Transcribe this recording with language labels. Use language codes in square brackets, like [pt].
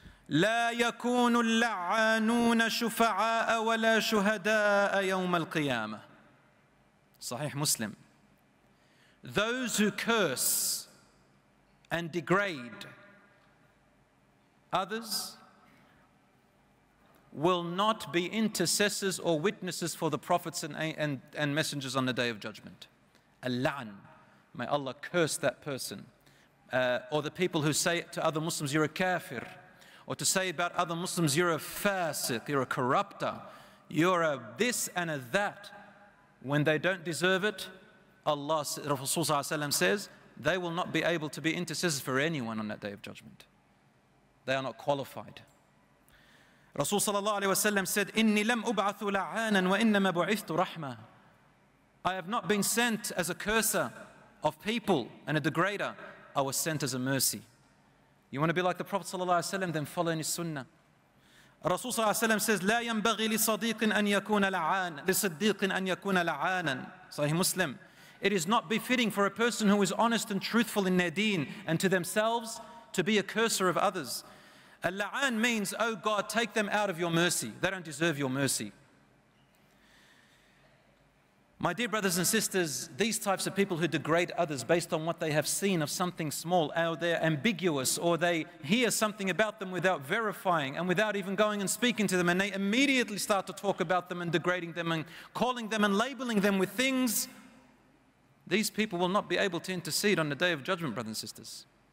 [ar] لا يكون اللعانون شفعاء ولا شهداء يوم القيامة. [en] Sahih Muslim. Those who curse and degrade others will not be intercessors or witnesses for the prophets and messengers on the day of judgment. Al-la'an. May Allah curse that person. Or the people who say to other Muslims, you're a kafir. Or to say about other Muslims, you're a fasiq, you're a corrupter, you're a this and a that. When they don't deserve it, Allah, Rasulullah says, they will not be able to be intercessors for anyone on that day of judgment. They are not qualified. [ar] Rasul sallallahu alayhi wa sallam said, إِنِّي لَمْ أُبْعَثُ لَعَانًا وَإِنَّمَا بُعِثْتُ رَحْمًا. [en] I have not been sent as a curser of people and a degrader. I was sent as a mercy. You want to be like the Prophet sallallahu alayhi wa sallam, then follow in his sunnah. [ar] Rasul sallallahu alayhi wa sallam says, لَا يَنْبَغِي لِصَدِيقٍ أَنْ يَكُونَ لَعَانًا لِصَدِّيقٍ أَنْ يَكُونَ لَعَانًا. [en] Sahih Muslim. It is not befitting for a person who is honest and truthful in their deen and to themselves to be a curser of others. Al-la'an means, oh God, take them out of your mercy. They don't deserve your mercy. My dear brothers and sisters, these types of people who degrade others based on what they have seen of something small, or they're ambiguous, or they hear something about them without verifying and without even going and speaking to them, and they immediately start to talk about them and degrading them and calling them and labeling them with things, these people will not be able to intercede on the day of judgment, brothers and sisters.